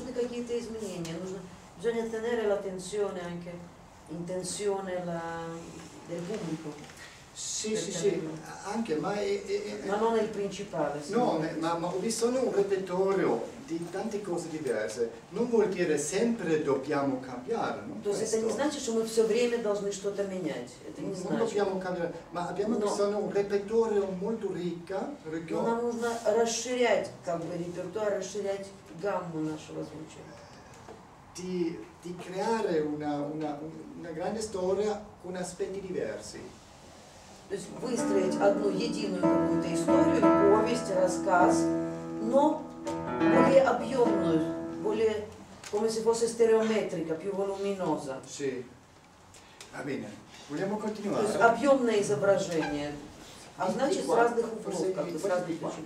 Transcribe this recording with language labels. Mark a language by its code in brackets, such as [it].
[it] Bisogna tenere la tensione anche, in tensione del pubblico. Sì, anche, ma ma non è il principale. No, ma ho bisogno di un repertorio di tante cose diverse. Non vuol dire sempre dobbiamo cambiare, no? [ru] То есть это не значит, что мы все время должны что-то менять. Это не значит. [it] Non dobbiamo cambiare, ma abbiamo bisogno di un repertorio molto ricco. [ru] Нам нужно расширять как бы репертуар, расширять гамму нашего звучания. [it] Di creare una grande storia con aspetti diversi. [ru] То есть выстроить одну единую какую-то историю, повесть, рассказ, но более объемную, более [it] come se fosse stereometrica, più voluminosa. Sì. Va bene. Vogliamo continuare. [ru] То есть объемное изображение. А значит с разных углов, как бы с разных точек